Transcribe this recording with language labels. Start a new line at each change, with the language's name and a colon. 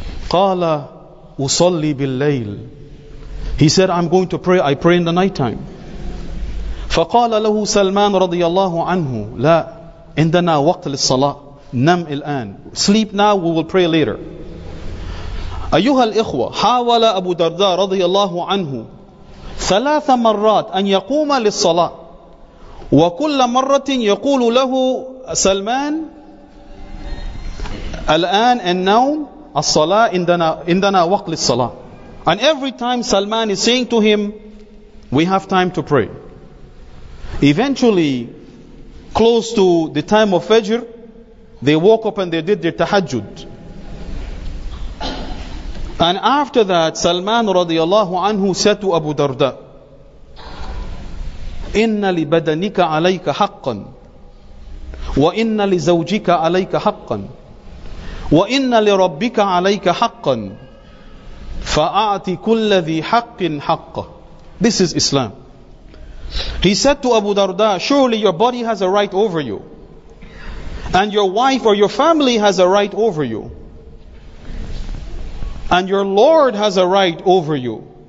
Arabic: قَالَ أُصَلِّ بِاللَّيْلِ.
English: He said, I'm going to pray. I pray in the night time.
Arabic: فَقَالَ لَهُ سَلْمَانَ رَضِيَ اللَّهُ عَنْهُ لَا إِنْدَنَا وَقْتْ لِلصَّلَاةِ نَمْ الْآنِ.
English: Sleep now, we will pray later.
Arabic: أَيُّهَا الْإِخْوَةَ حَاوَلَ أَبُو دَرْدَى رَضِيَ اللَّهُ عَنْهُ ثَلَاثَ مَرَّاتٍ أَنْ يَقُومَ لِلصَّلَاةِ وكل مرة يقول له سلمان الآن النوم الصلاة عندنا وقت للصلاة.
English: And every time Salman is saying to him, we have time to pray. Eventually, close to the time of Fajr, they woke up and they did their tahajjud. And after that, Salman radiallahu anhu said to Abu Darda,
Arabic: إِنَّ لِبَدَنِكَ عَلَيْكَ حَقًّا وَإِنَّ لِزَوْجِكَ عَلَيْكَ حَقًّا وَإِنَّ لِرَبِّكَ عَلَيْكَ حَقًّا فَأَعْتِ كُلَّ ذِي حَقٍّ حَقًّا.
English: This is Islam. He said to Abu Darda, surely your body has a right over you, and your wife or your family has a right over you, and your Lord has a right over you.